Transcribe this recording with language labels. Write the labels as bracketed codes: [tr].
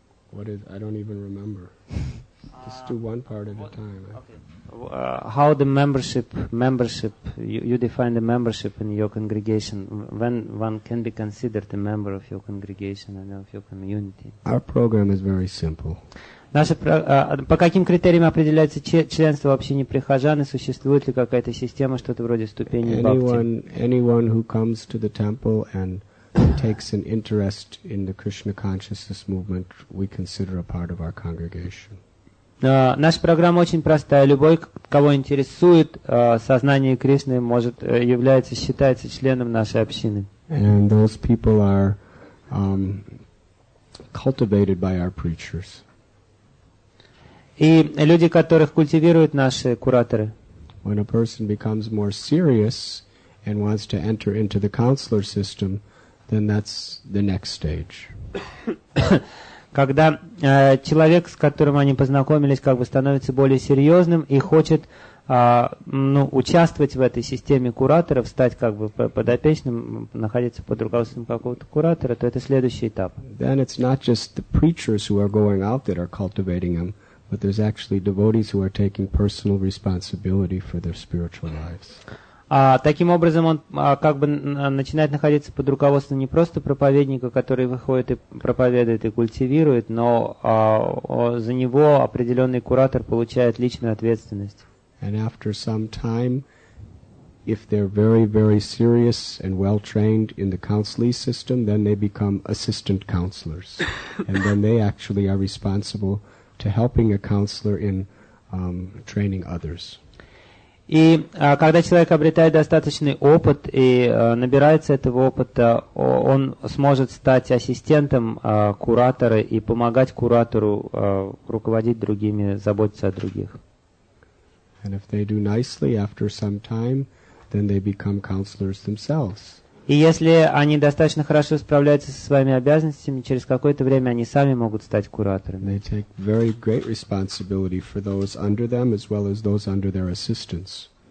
[en] What is, I don't even remember. Just do one part at a time. Okay. How the membership, you define the membership in your congregation, when one can be considered a member of your congregation and of your community? Our program is very simple. [ru] По каким критериям определяется членство в общине прихожан, и существует ли какая-то система, что-то вроде ступени бхакти? [en] Anyone who comes to the temple and takes an interest in the Krishna consciousness movement, we consider a part of our congregation. [ru] Наша программа очень простая. Любой, кого интересует сознание Кришны, может является, считается членом нашей общины. [en] And those people are cultivated by our preachers. [ru] И люди, которых культивируют наши кураторы. [en] When a person becomes more serious and wants to enter into the counselor system, then that's the next stage. [ru] Когда человек, с которым они познакомились, как бы становится более серьезным и хочет участвовать в этой системе кураторов, стать как бы подопечным, находиться под руководством какого-то куратора, то это следующий этап. [en] Then it's not just the preachers who are going out that are cultivating them, but there's actually devotees who are taking personal responsibility for their spiritual lives. [ru] Таким образом, он как бы начинает находиться под руководством не просто проповедника, который выходит и проповедует, и культивирует, но за него определенный куратор получает личную ответственность. [en] And after some time, if they're very, very serious and well-trained in the counseling system, then they become assistant counselors. And then they actually are responsible to helping a counselor in training others. [ru] И когда человек обретает достаточный опыт и набирается этого опыта, он сможет стать ассистентом куратора и помогать куратору руководить другими, заботиться о других. [en] And if they do nicely after some time, then they become counselors themselves. [ru] И если они достаточно хорошо справляются со своими обязанностями, через какое-то время они сами могут стать кураторами. [en] They take very great responsibility for those under them as well as those under their assistants.